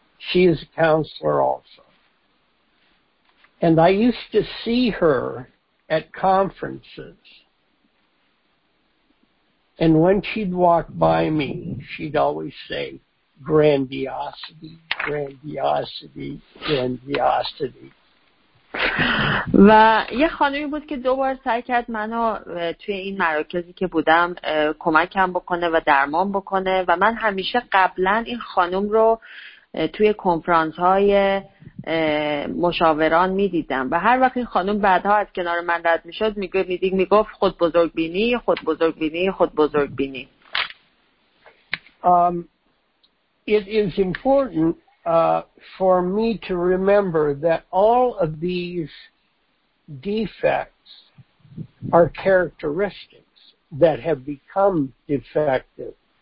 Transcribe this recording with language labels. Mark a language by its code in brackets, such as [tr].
[en] She is a counselor also. And I used to see her at conferences. And when she'd walk by me, she'd always say, grandiosity, grandiosity, grandiosity. [fa] و یه خانمی بود که دوبار سعی کرد منو توی این مراکزی که بودم کمکم بکنه و درمان بکنه و من همیشه قبلن این خانم رو توی کنفرانس های مشاوران می دیدم و هر وقت این خانم بعدها از کنار من رد می شد می گفت خود بزرگ بینی، خود بزرگ بینی، خود بزرگ بینی. [en] It is important for me to remember that all of these defects are characteristics that have become defective.